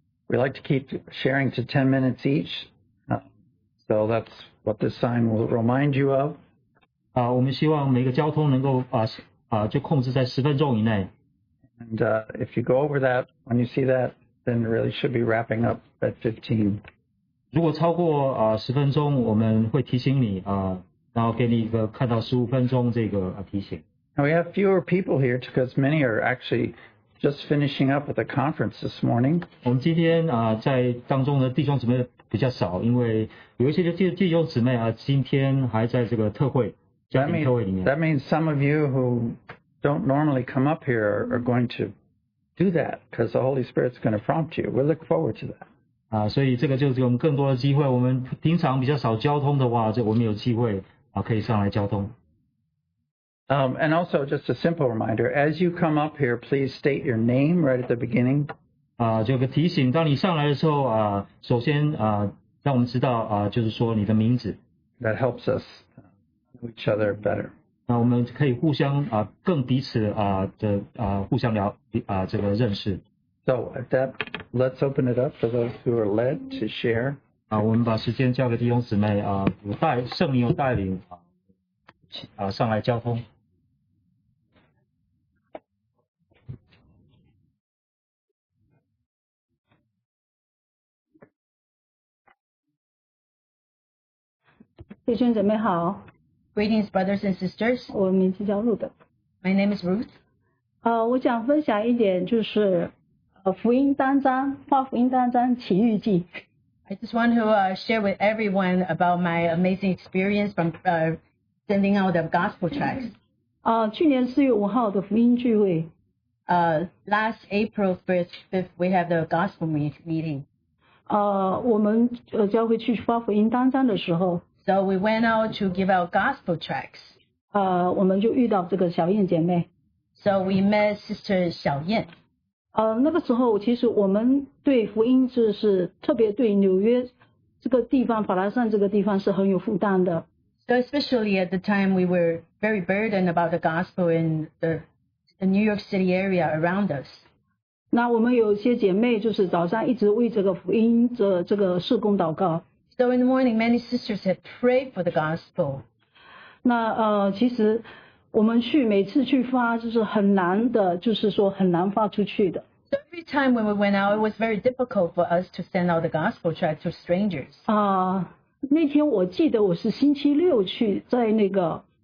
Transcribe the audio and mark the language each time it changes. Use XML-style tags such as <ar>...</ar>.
<en>We like to keep sharing to 10 minutes each. So that's what this sign will remind you of.</en> <zh>我们希望每个交通能够就控制在十分钟以内。</zh> <en>And if you go over that, when you see that, then it really should be wrapping up at 15.</en> <zh>如果超过十分钟，我们会提醒你然后给你一个看到十五分钟这个提醒。</zh> <en>Now we have fewer people here because many are actually just finishing up at the conference this morning.</en> <zh>我们今天在当中的弟兄姊妹比较少，因为有一些弟兄姊妹今天还在这个特会，家庭特会里面。</zh> <en>That means some of you who don't normally come up here are going to do that because the Holy Spirit's going to prompt you. We look forward to that.</en> <zh>所以这个就是我们更多的机会。我们平常比较少交通的话，这我们有机会可以上来交通。</zh> <en>And also just a simple reminder, as you come up here, please state your name right at the beginning.</en> <zh>就个提醒，当你上来的时候首先让我们知道就是说你的名字。</zh> <en>That helps us know each other better.</en> <zh>那我们可以互相更彼此互相聊这个认识。</zh> <en>So at that, let's open it up for those who are led to share.</en> <zh>我们把时间交给弟兄姊妹圣灵有带领上来交通。弟兄姊妹好。</zh> <en>Greetings, brothers and sisters.</en> <zh>我名字叫 Ruth.</zh> <en>My name is Ruth.</en> <zh>我想分享一点就是福音当章，画福音当章奇遇记。</zh> <en>I just want to share with everyone about my amazing experience from sending out the gospel tracts.</en> <zh>去年4月5号的福音聚会。</zh> <en>Last April 5th, we have the gospel meeting.</en> <zh>我们教会去画福音当章的时候，</zh> <en>So we went out to give out gospel tracts.</en> <zh>我们就遇到这个小燕姐妹。</zh> <en>So we met Sister 小燕。</en> <zh>那个时候其实我们对福音是特别对纽约这个地方，法拉盛这个地方是很有负担的。</zh> <en>So especially at the time we were very burdened about the gospel in the New York City area around us.</en> <zh>那我们有些姐妹就是早上一直为这个福音的这个事工祷告。</zh> <en>So in the morning, many sisters had prayed for the gospel.</en> <zh>那其实我们去每次去发就是很难的，就是说很难发出去的。</zh> <en>So every time when we went out, it was very difficult for us to send out the gospel tract to strangers.</en> <zh>那天我记得我是星期六去，在那个</zh>